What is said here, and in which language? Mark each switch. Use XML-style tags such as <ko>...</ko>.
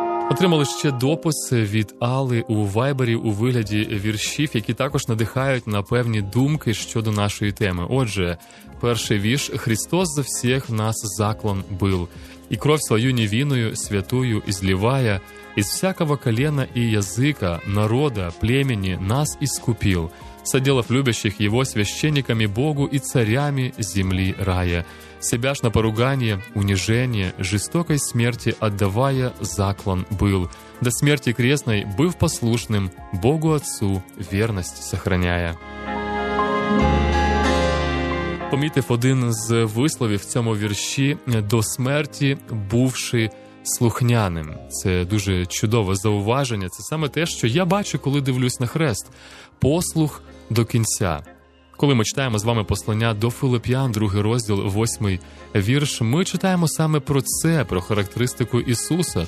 <uk>Отримали ще допис від Алли у Вайбері у вигляді віршів, які також надихають на певні думки щодо нашої теми. Отже, перший вірш</uk> <ru>«Христос за всіх нас заклон бил, і кров свою невинную святую изливая, из всякого колена и языка, народа, племени нас искупил, соделав любящих его священниками Богу и царями земли рая, себя ж на поругание, унижение, жестокой смерти отдавая заклон был, до смерти крестной быв послушным, Богу Отцу верность сохраняя».</ru> <uk>Помітив один з висловів в цьому вірші «до смерті бувши слухняним». Це дуже чудове зауваження. Це саме те, що я бачу, коли дивлюсь на хрест. Послух до кінця. Коли ми читаємо з вами послання до Филип'ян, 2 розділ, 8 вірш, ми читаємо саме про це, про характеристику Ісуса.</uk>